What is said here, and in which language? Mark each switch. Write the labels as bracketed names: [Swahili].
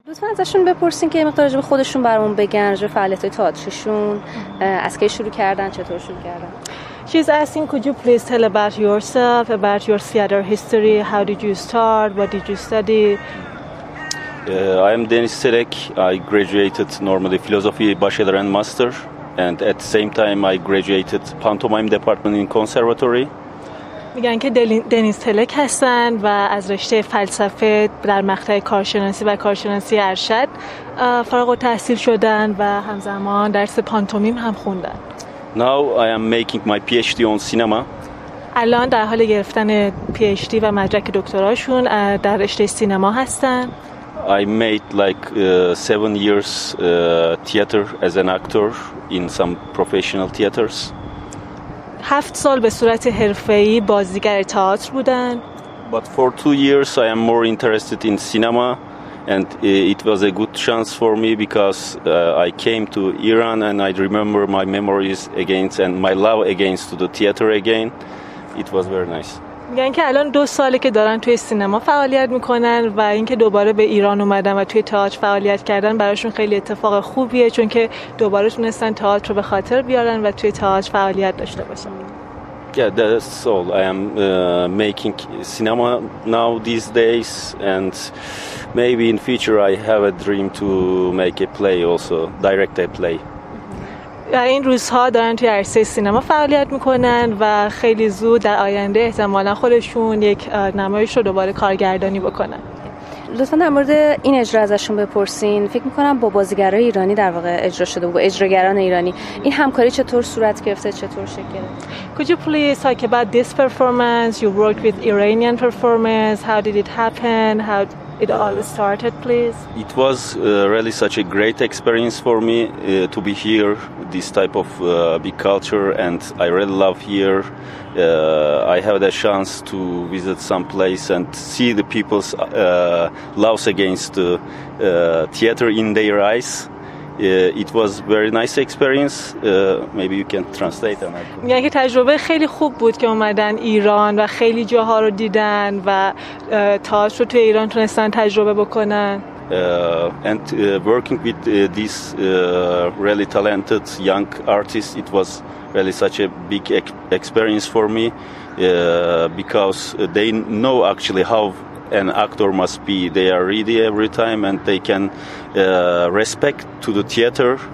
[Persian] ازشون بپرسین که مقدار راجب خودشون برامون بگن، راجب فعالیت های تئاترشون از کی شروع کردن، چطور شروع کردن. [English] She's asking, could you please tell about yourself, about your theater history, how did you start, what did you study? I am Deniz Terek. I graduated normally philosophy bachelor and master, and at the same time I graduated pantomime department in conservatory. [Persian] میگن که دنیز تلک هستن و از رشته فلسفه در مقطع کارشناسی و کارشناسی ارشد فارغ التحصیل شدن و همزمان درس پانتومیم هم خوندن. [English] Now I am making my PhD on cinema. [Persian] الان در حال گرفتن PhD و مدرک دکتراشون در رشته سینما هستن. [English] I made like 7 years theater as an actor in some professional theaters. [Persian] 7 سال به صورت حرفه‌ای بازیگر تئاتر بودن. [English] But for 2 years I am more interested in cinema and it was a good chance for me because I came to Iran and I remember my memories again and my love again to the theater again. It was very nice. [Persian] میگن که الان 2 سالی که دارن توی سینما فعالیت میکنن و اینکه دوباره به ایران اومدن و توی تئاتر فعالیت کردن براشون خیلی اتفاق خوبیه، چون که دوباره تونستن تئاتر رو به خاطر بیارن و توی تئاتر فعالیت داشته باشن. [English] Yeah, that's all. I am making cinema now these days and maybe in future I have a dream to make a play also, direct a play. [Persian] و این روزها دارن توی عرصه سینما فعالیت میکنن و خیلی زود در آینده احتمالا خودشون یک نمایش رو دوباره کارگردانی بکنن. لطفا در مورد این اجرا ازشون بپرسین. فکر میکنم با بازیگرای ایرانی در واقع اجرا شده، با اجراگران ایرانی. این همکاری چطور صورت گرفته، چطور شکل گرفته؟ [English] Could you please talk about this performance? You worked with Iranian performers. How did it happen? How it all started, please? It was really such a great experience for me to be here, this type of big culture, and I really love here. I had a chance to visit some place and see the people's loves against the theater in their eyes. It was very nice experience. Maybe you can translate it. [Persian] میگن که تجربه خیلی خوب بود که اومدن ایران و خیلی جاها رو دیدن و تئاتر رو توی ایران تونستن تجربه بکنن. [English] And working with these really talented young artists, it was really such a big experience for me because they know actually how an actor must be. They are ready every time and they can respect to the theater.